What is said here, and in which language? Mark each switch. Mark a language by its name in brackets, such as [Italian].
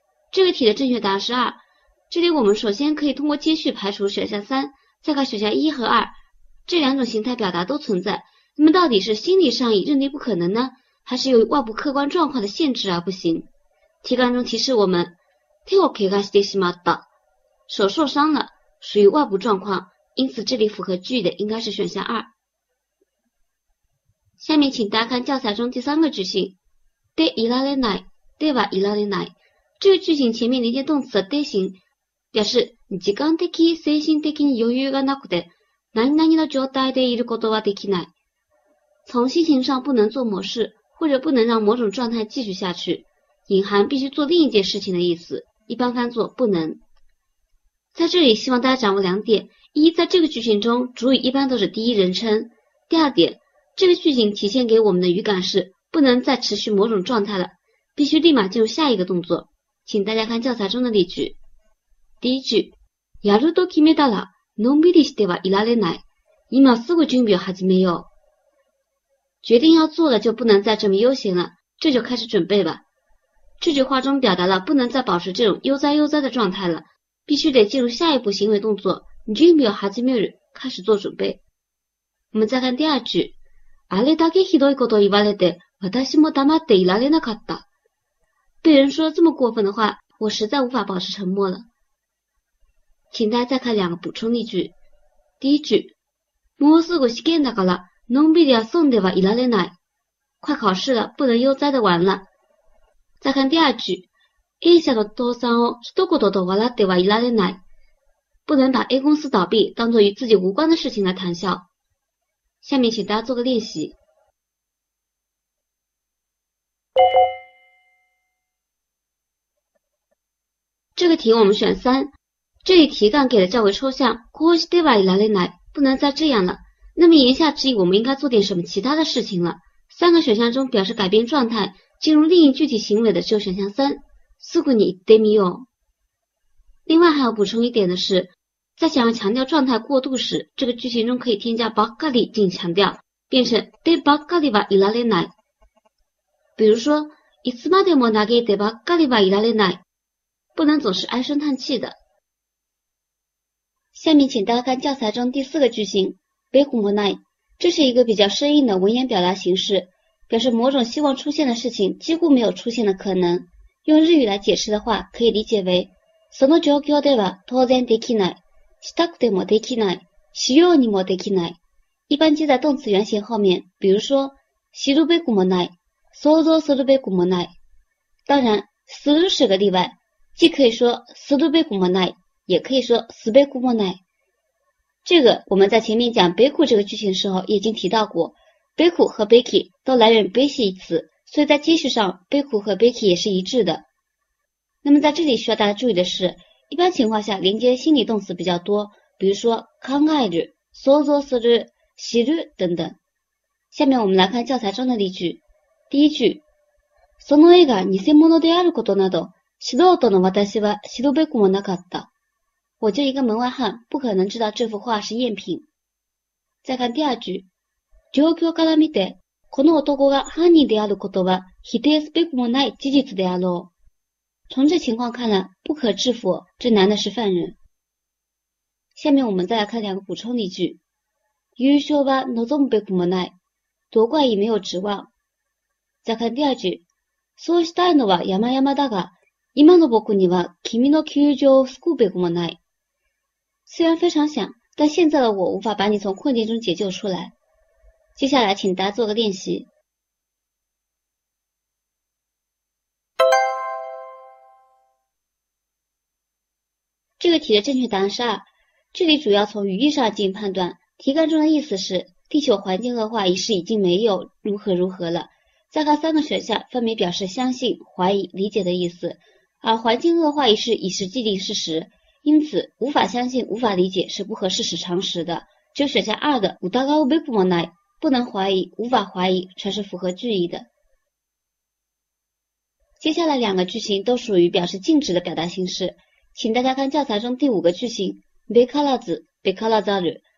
[Chinese] 这个题的正确答案是二，这里我们首先可以通过接续排除选项三，再看选项一和二，这两种形态表达都存在。那么到底是心理上已认定不可能呢，还是由于外部客观状况的限制而不行？题干中提示我们， [Japanese] 手を怪我してしまった， [Chinese] 手受伤了，属于外部状况，因此这里符合句的应该是选项二。下面请大家看教材中第三个句型，でいられない，でいられない。这个句型前面连接动词で形，表示 [Japanese] 時間的、精神的に余裕がなくて、何々の状態でいることはできない。 [Chinese] 从心情上不能做某事，或者不能让某种状态继续下去，隐含必须做另一件事情的意思，一般翻作不能。在这里希望大家掌握两点，一，在这个句型中主语一般都是第一人称。第二点，这个句型体现给我们的语感是不能再持续某种状态了，必须立马进入下一个动作。请大家看教材中的例句。第一句， [Japanese] やると決めたらのんびりしてはいられない。今すぐ準備を始めよう。 [Chinese] 决定要做了就不能再这么悠闲了，这就开始准备吧。这句话中表达了不能再保持这种悠哉悠哉的状态了，必须得进入下一步行为动作， [Japanese] 準備を始める， [Chinese] 开始做准备。我们再看第二句， [Japanese] あれだけひどいことを言われて、私も黙っていられなかった。 [Chinese] 被人说这么过分的话，我实在无法保持沉默了。请大家再看两个补充例句。 [Japanese] 第一句，もうすぐ試験だから、のんびりは損ではいられない。 [Chinese] 快考试了，不能悠哉的玩了。再看第二句， [Japanese] A 社の倒産を一言と笑ってはいられない。 [Chinese] 不能把 A 公司倒闭当作与自己无关的事情来谈笑。下面请大家做个练习。这个题我们选三，这里题干给的较为抽象， [Japanese] こうしてはいられない， [Chinese] 不能再这样了。那么言下之意，我们应该做点什么其他的事情了。三个选项中表示改变状态进入另一具体行为的只有选项三， [Japanese] すぐに行ってみよう。 [Chinese] 另外还要补充一点的是，在想要强调状态过渡时，这个句型中可以添加ばっかり进行强调，变成 [Japanese] でばっかりはいられない。 [Chinese] 比如说， [Japanese] いつまでも嘆いてばっかりはいられない， [Chinese] 不能总是唉声叹气的。下面请大家看教材中第四个句型，ベホモない，这是一个比较生硬的文言表达形式，表示某种希望出现的事情几乎没有出现的可能。用日语来解释的话，可以理解为 [Japanese] その状況では当然できない，したくてもできない，しようにもできない， [Chinese] 一般接在动词原形后面，比如说 [Japanese] 知るべくもない，想像するべくもない。 [Chinese] 当然する是个例外，既可以说するべくもない，也可以说すべくもない。这个我们在前面讲べく这个句型的时候已经提到过，べく和べき都来源べき一词，所以在接续上べく和べき也是一致的。那么在这里需要大家注意的是，一般情况下连接心理动词比较多，比如说考える、想像する、知る等等。下面我们来看教材中的例句。第一句， [Japanese] その絵が偽物であることなど素人の私は知るべくもなかった。 [Chinese] 我就一个门外汉，不可能知道这幅画是赝品。再看第二句， [Japanese] 状況から見てこの男が犯人であることは否定すべくもない事実であろう。 [Chinese] 从这情况看来，不可置否，这男的是犯人。下面我们再来看两个补充例句。 [Japanese] 優勝は望むべくもない， [Chinese] 夺冠也没有指望。再看第二句， [Japanese] そうしたいのは山々だが、今の僕には君の窮状を救うべくもない。 [Chinese] 虽然非常想，但现在的我无法把你从困境中解救出来。接下来请大家做个练习。这个题的正确答案是二，这里主要从语义上进行判断，题干中的意思是地球环境恶化一事已经没有如何如何了。再看三个选项分别表示相信、怀疑、理解的意思，而环境恶化一事已是既定事实，因此无法相信、无法理解是不合事实常识的，只有选项二的疑うべくもない，不能怀疑、无法怀疑，才是符合句意的。接下来两个句型都属于表示静止的表达形式，请大家看教材中第五个句型，べからず、べからざる。